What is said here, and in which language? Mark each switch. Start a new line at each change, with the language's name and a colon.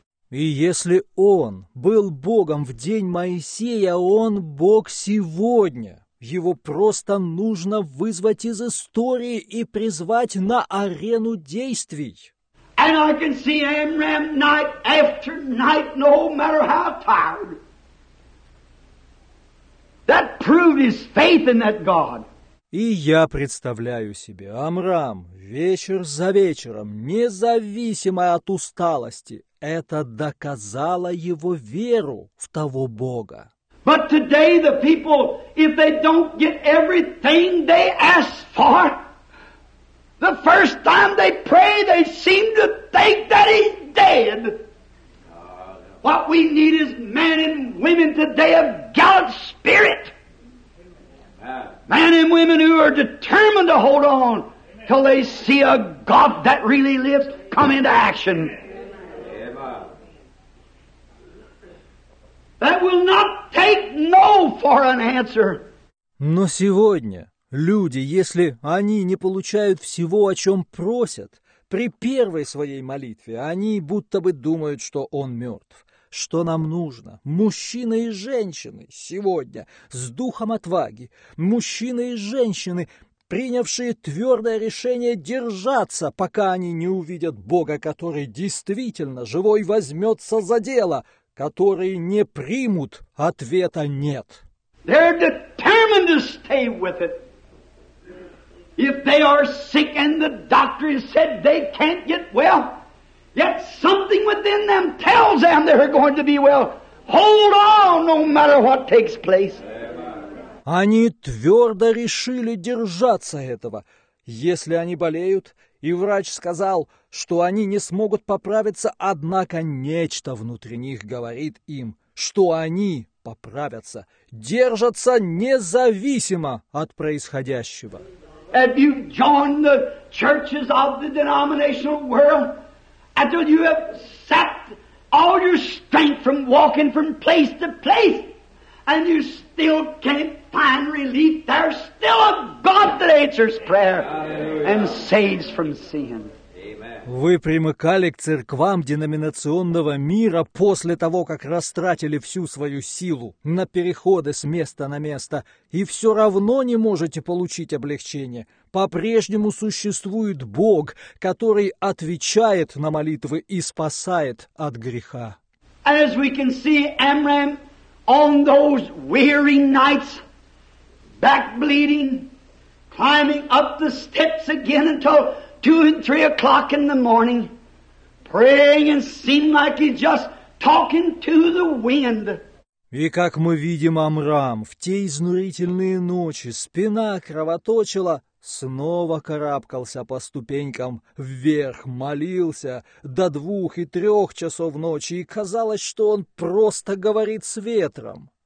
Russian: И если он был Богом в день Моисея, он Бог сегодня. Его просто нужно вызвать из истории и призвать на арену действий.
English: And I can see Amram night after night, no matter how tired. That proved his faith in that God.
Russian: И я представляю себе Амрам вечер за вечером, независимо от усталости, это доказало его веру в того Бога.
English: But today the people, if they don't get everything they ask for, the first time they pray, they seem to think that he's dead. What we need is men and women today of God's Spirit. Men and women who are determined to hold on till they see a God that really lives come into action. That will not take no for an answer.
Russian: Но сегодня люди, если они не получают всего, о чем просят, при первой своей молитве они будто бы думают, что он мертв. Что нам нужно? Мужчины и женщины сегодня с духом отваги, мужчины и женщины, принявшие твердое решение держаться, пока они не увидят Бога, который действительно живой возьмется за дело, которые не примут ответа «нет».
English: They're determined to stay with it. If they are sick and the doctor has said they can't get well, yet something within them tells them they're going to be well. Hold on, no matter what takes place.
Russian: Они твердо решили держаться этого. Если они болеют, и врач сказал, что они не смогут поправиться, однако нечто внутри них говорит им, что они поправятся, держатся независимо от происходящего.
English: Have you joined the churches of the denominational world? Until you have sapped all your strength from walking from place to place, and you still can't find relief, there's still a God that answers prayer and saves from sin.
Russian: Вы примыкали к церквам деноминационного мира после того, как растратили всю свою силу на переходы с места на место, и все равно не можете получить облегчение. По-прежнему существует Бог, который отвечает на молитвы и спасает от греха.
English: As we can see, Amram, on those weary nights, back bleeding, climbing up the steps again until 2 and 3 o'clock in the morning, praying and seemed like he's just talking to the wind.
Russian: И как мы видим, Амрам, в те изнурительные ночи спина кровоточила, снова карабкался по ступенькам вверх, молился до 2 и 3 часов ночи, и казалось, что он просто говорит с ветром.